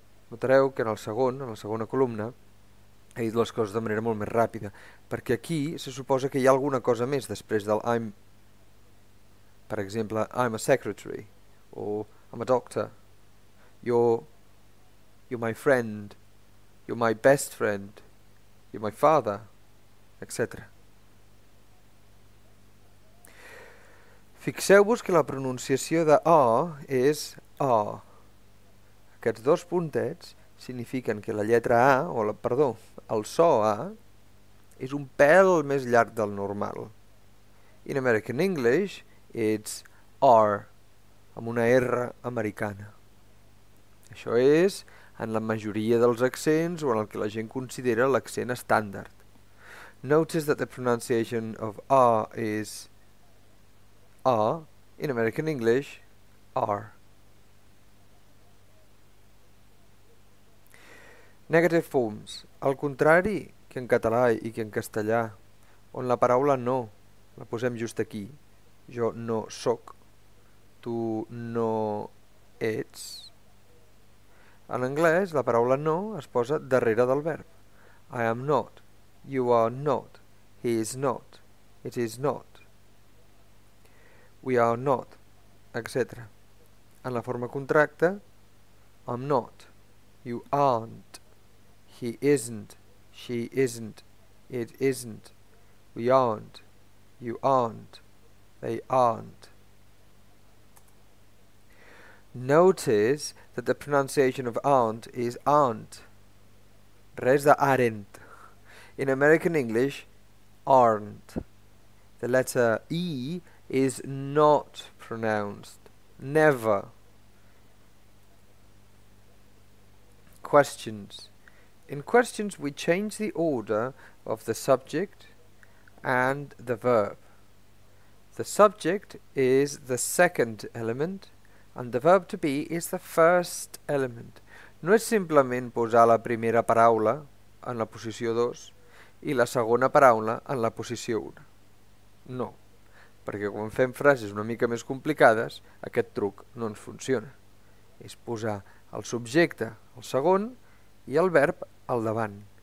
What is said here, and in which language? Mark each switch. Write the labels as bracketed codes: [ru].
[ca] Notareu que en el segon, en la segona columna, he dit les coses de manera molt més ràpida, perquè aquí se suposa que hi ha alguna cosa més després del I'm. Per exemple, [en] I'm a secretary, o I'm a doctor, you're my friend, you're my best friend, you're my father, etc. [ca] Fixeu-vos que la pronunciació de A és A. Aquests dos puntets signifiquen que la lletra A, o la, perdó, el so A, és un pèl més llarg del normal. [en] In American English, it's R, [ca] amb una R americana. Això és en la majoria dels accents o en el que la gent considera l'accent estàndard. [en] Notice that the pronunciation of R is R, in American English, R. Negative forms. [ca] Al contrari que en català i que en castellà, on la paraula no la posem just aquí. Jo no sóc, tu no ets. En anglès, la paraula no es posa darrere del verb. [en] I am not, you are not, he is not, it is not, we are not, etc. [ca] En la forma contracta, [en] I'm not, you aren't, he isn't, she isn't, it isn't, we aren't, you aren't, they aren't. Notice that the pronunciation of aunt is aunt. [ca] Res de [en] aren't. In American English, aren't. The letter E is not pronounced. Never. Questions. In questions, we change the order of the subject and the verb. The subject is the second element, and the verb to be is the first element. [ca] No és simplement posar la primera paraula en la posició 2 i la segona paraula en la posició 1. No, perquè quan fem frases una mica més complicades, aquest truc no ens funciona. És posar el subjecte al segon i el verb al davant.